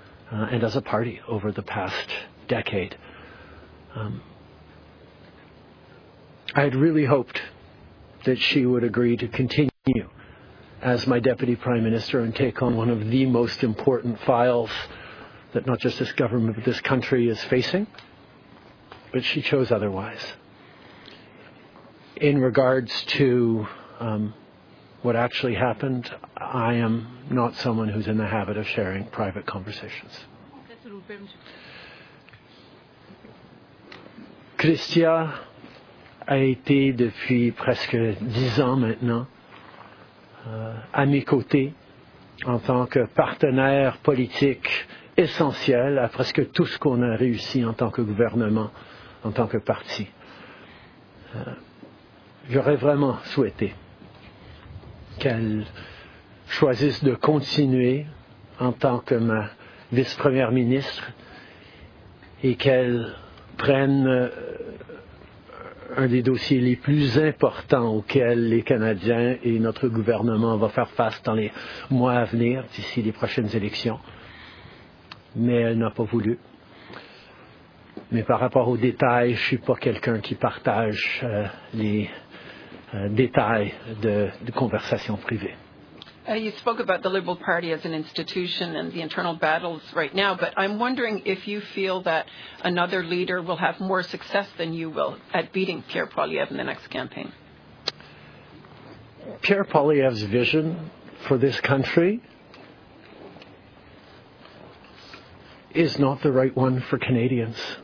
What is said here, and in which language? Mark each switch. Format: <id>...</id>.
<en>and as a party over the past decade. I had really hoped that she would agree to continue as my deputy prime minister and take on one of the most important files that not just this government but this country is facing, but she chose otherwise. In regards to what actually happened, I am not someone who's in the habit of sharing private conversations.</en> <fr>Christia a été depuis presque 10 ans maintenant à mes côtés en tant que partenaire politique essentiel à presque tout ce qu'on a réussi en tant que gouvernement, en tant que parti. J'aurais vraiment souhaité qu'elle choisisse de continuer en tant que ma vice-première ministre et qu'elle prenne un des dossiers les plus importants auxquels les Canadiens et notre gouvernement vont faire face dans les mois à venir, d'ici les prochaines élections. Mais elle n'a pas voulu. Mais par rapport aux détails, je ne suis pas quelqu'un qui partage les détails de conversations privées.</fr> <en>You spoke about the Liberal Party as an institution and the internal battles right now, but I'm wondering if you feel that another leader will have more success than you will at beating Pierre Poilievre in the next campaign. Pierre Poilievre's vision for this country is not the right one for Canadians.</en>